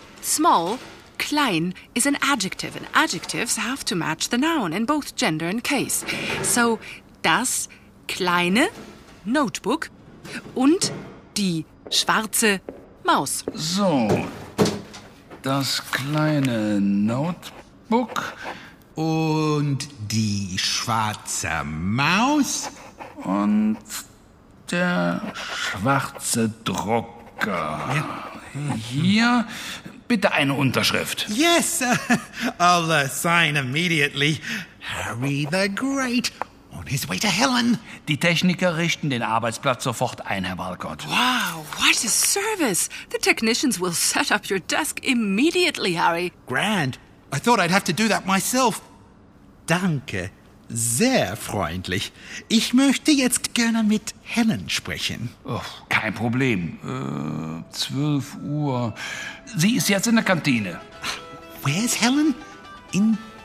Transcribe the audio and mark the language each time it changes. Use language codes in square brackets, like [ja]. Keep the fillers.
[en] Small, klein, is an adjective, and adjectives have to match the noun in both gender and case. [de] So, das kleine Notebook und die schwarze Maus. So, das kleine Notebook und die schwarze Maus und der schwarze Drucker. Hier bitte eine Unterschrift. [en] Yes, uh, I'll sign immediately. Harry the Great. His way to Helen. [de] Die Techniker richten den Arbeitsplatz sofort ein, Herr Walcott. [en] Wow, what a service. The technicians will set up your desk immediately, Harry. Grand. I thought I'd have to do that myself. [de] Danke, sehr freundlich. Ich möchte jetzt gerne mit Helen sprechen. Oh, kein Problem. Äh, uh, 12 Uhr. Sie ist jetzt in der Kantine. [en] Where's Helen? [de] In